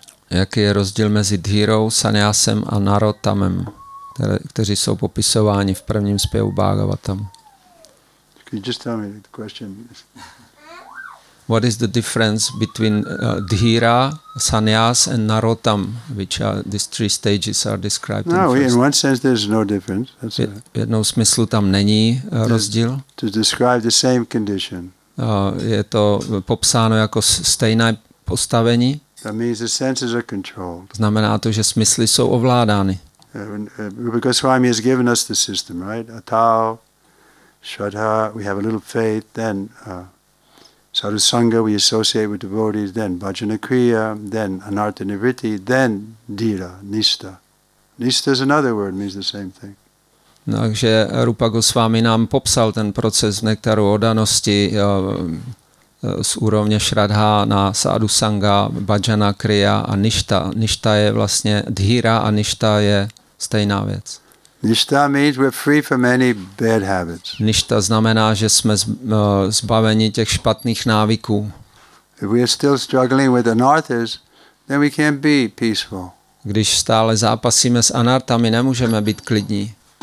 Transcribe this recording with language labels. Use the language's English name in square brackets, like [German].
[Czech] Jaký je rozdíl mezi dhírou, sanyasem a narotamem, kteří jsou popisováni v prvním zpěvu Bhagavatam? [English] Can you just tell me the question? What is the difference between dhira, sanyas and narotam, which are these three stages are described? No, in one sense there's no difference. [Czech] V jednom smyslu tam není rozdíl. [English] To describe the same condition. [Czech] Je to popsáno jako stejné postavení. [English] That means the senses are controlled. [Czech] Znamená to, že smysly jsou ovládány. [English] Rupa Goswami has given us the system, right? Atau, Shraddha, we have a little faith, then Sarusanga, we associate with devotees, then Bhajana Kriya, then Anartha Nivritti, then Dhira, Nista. Nista is another word, means the same thing. [Czech] No, takže Rupa Goswami nám popsal ten proces nektaru oddanosti z úrovně Shraddha na Sarusanga, Bhajana Kriya a Nista. Nista je vlastně Dhira a Nista je stejná věc. [English] Nishta means we're free from any bad habits. [Czech] Nishta znamená, že jsme zbaveni těch špatných návyků. [English] If we are still struggling with anarthas, then we can't be peaceful. [Czech] Když stále zápasíme s anartami, nemůžeme být klidní.